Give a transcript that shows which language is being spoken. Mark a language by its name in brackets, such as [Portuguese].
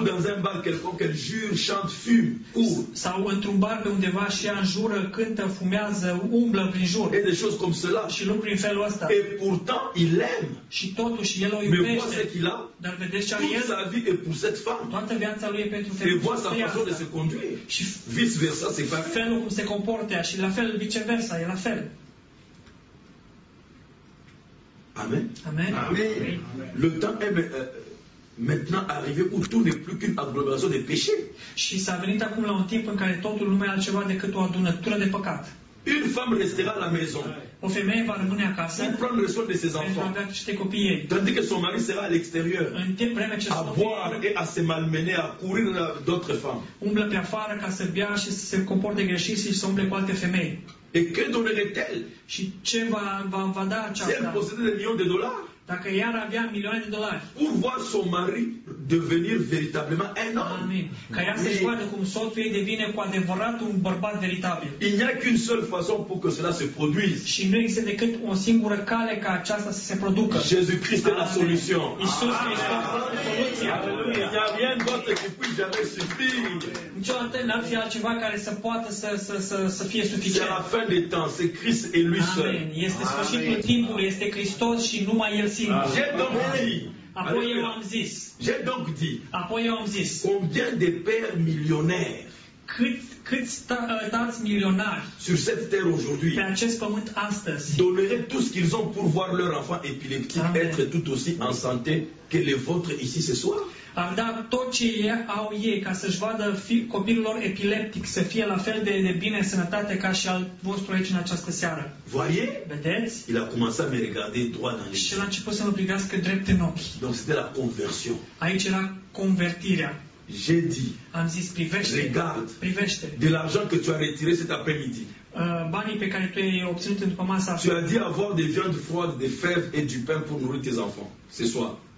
[French] Ou dans un bar quelconque, elle jure, chante, fume. [Romanian] Sau într-un bar pe undeva și ea înjură, cântă, fumează, umblă prin jur. [French] Et des choses comme cela. [Romanian] Și lucruri în felul ăsta. [French] Et pourtant, il aime. [Romanian] Și totuși el o iubește. [French] Mais vois ce qu'il a. [Romanian] Dar vedeți ce are el. [French] Toute sa vie est pour cette femme. [Romanian] Toată viața lui e pentru femeia. [French] Et vois sa façon de se conduire. [Romanian] Și [French] vice versa, c'est pareil. [Romanian] Felul cum se comportă și la fel viceversa, e la fel. [French] Amen. [Romanian] Amen. Amen. Amen. [French] Le temps est maintenant arrivé où tout n'est plus qu'une agglomération de péchés. [Romanian] Și s-a venit acum la un timp în care totul nu mai e altceva decât o adunătură de păcat. [French] Une femme restera la maison. [Romanian] O femeie va rămâne acasă. Pentru [French] a prendre soin de ses enfants. [Romanian] Pentru a avea copii ei. [French] Tandis que son mari sera à l'extérieur. [Romanian] În timp vreme ce [French] a boire et à se malmener, à courir d'autres femmes. [Romanian] Umblă pe afară ca să bea și să se comporte greșit și să umble cu alte femei. [French] Et que donnerait-elle? [Romanian] Și ce va da aceasta? [French] Si elle possédait des millions de dollars? [Romanian] Dacă ea ar avea milioane de dolari. [French] Pour voir son mari devenir véritablement un homme. [Romanian] Amin. Ca ea să-și vadă cum soțul ei devine cu adevărat un bărbat veritabil. [French] Il n'y a qu'une seule façon pour que cela se produise. [Romanian] Și nu există decât o singură cale ca aceasta să se producă. [French] Jésus-Christ est la solution. [Romanian] Iisus Hristos este soluția. [French] Il n'y a rien d'autre qui puisse jamais suffire. [Romanian] Niciodată n-ar fi altceva care să poată să fie suficient. [French] C'est la fin des temps, c'est Christ et lui seul. [Romanian] Amen. Este sfârșitul timpului, este Hristos și numai El singur. [French] J'ai donc dit. [Romanian] Apoi eu am zis. [French] J'ai donc dit. [Romanian] Apoi eu am zis. [French] Combien de pères millionnaires? [Romanian] Câți tați milionari [French] sur cette terre aujourd'hui [Romanian] pe acest pământ astăzi [French] donneraient tout ce qu'ils ont pour voir leur enfant épileptique être tout aussi en santé que le vôtre ici ce soir? [Romanian] Ar da tot ce au ei ca să-și vadă copilul epileptic să fie la fel de bine sănătate ca și al vostru aici în această seară. [French] Voyez? [Romanian] Vedeți? [French] Il a commencé à me regarder droit dans les yeux. [Romanian] Și el a început să mă privească drept în ochi. [French] Donc c'était la conversion. [Romanian] Aici era convertirea. [French] J'ai dit. [Romanian] Am zis, privește. [French] Regarde. [Romanian] Privește. [French] De l'argent que tu as retiré cet après-midi. [Romanian] Banii pe care tu i-ai obținut după masa. [French] Tu as dit avoir des viandes froides, des fèves et du pain pour nourrir tes enfants ce soir.